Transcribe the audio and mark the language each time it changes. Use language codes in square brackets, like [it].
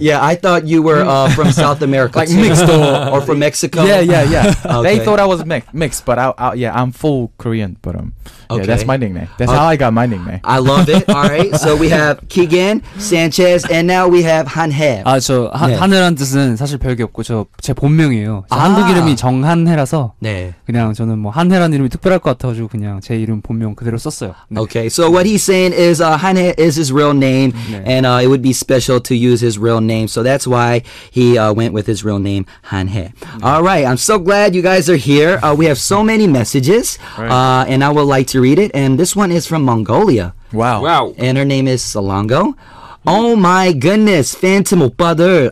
[en] Yeah, I thought you were from South America. Like mixed or from Mexico. Yeah. Okay. They thought I was mixed, but I'm full Korean, but okay. That's my nickname. That's how I got my nickname. I love it. All right. So we have Keegan, Sanchez, and now we have Hanhae. [ko] 하늘이란 뜻은 사실 별게 없고 저 제 본명이에요. 한국 이름이 정한혜라서 네. 그냥 저는 뭐 한혜라는 이름이 특별할 것 같아 가지고 그냥 제 이름 본명 그대로 썼어요. [en] 네. Okay. So what he's saying is Hanhae is his real name 네. and it would be special to use his real name. So that's why he went with his real name Hanhae. 네. All right. I'm so glad you guys are here. We have so many messages. Right. And I would like to read it, and this one is from Mongolia. Wow. And her name is Solongo. Oh my goodness, Phantom 오빠들.